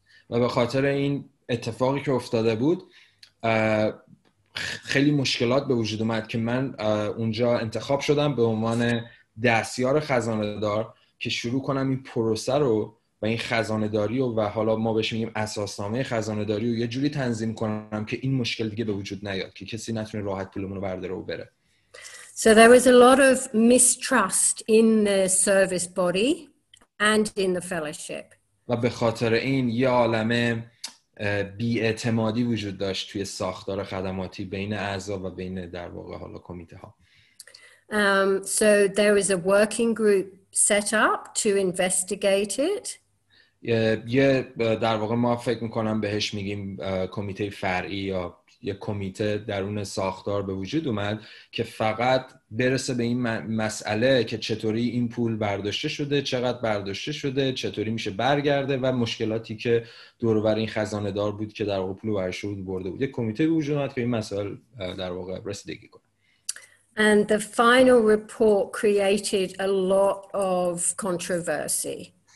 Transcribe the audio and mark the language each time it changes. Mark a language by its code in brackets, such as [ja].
[fa] و به خاطر این اتفاقی که افتاده بود خیلی مشکلات به وجود اومد که من اونجا انتخاب شدم به عنوان دستیار خزانه دار که شروع کنم این پروسه رو و این خزانه داری و حالا ما بهش میگیم اساسنامه خزانه داری رو یه جوری تنظیم کنم که این مشکل دیگه به وجود نیاد که کسی نتونه راحت پولمون رو برداره و بره. [en] So there was a lot of mistrust in the service body and in the fellowship. [fa] و به خاطر این یه عالمه بی‌اعتمادی وجود داشت توی ساختار خدماتی بین اعضا و بین در واقع حالا کمیته ها. [en] So there is a working group set up to investigate it. [fa] یه در واقع ما فکر میکنم بهش میگیم کمیته فرعی یا یه کمیته درون ساختار به وجود اومد که فقط برسه به این مسئله که چطوری این پول برداشته شده، چقدر برداشته شده، چطوری میشه برگرده و مشکلاتی که دوروبر این خزانه دار بود که در واقع پول برشورد برده بود. یه کمیته به وجود اومد که این مسئله در واقع رسیدگی کنه. [en] And the final report created a lot of controversy.